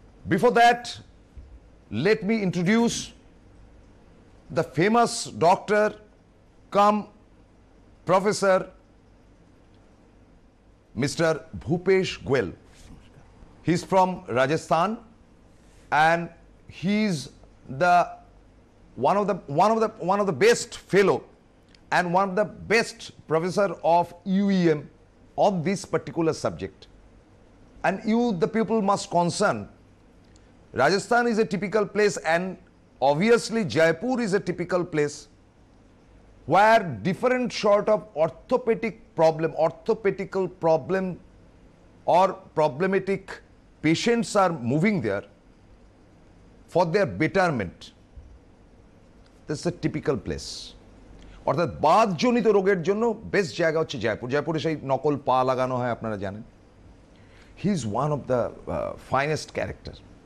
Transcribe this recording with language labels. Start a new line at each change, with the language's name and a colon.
English: Before that let me introduce the famous doctor cum professor mister Bhupesh Goyal. He is from Rajasthan and he is the one of the best fellow and one of the best professor of um of this particular subject. And you the people must concern, Rajasthan is a typical place and obviously Jaipur is a typical place where different sort of orthopedic problem, orthopedical problem or problematic patients are moving there for their betterment. This is a typical place.
Bangla: অর্থাৎ বাতজনিত রোগের জন্য best জায়গা হচ্ছে জয়পুর। জয়পুরে সেই নকল পা লাগানো হয় আপনারা জানেন।
English: He is one of the finest character.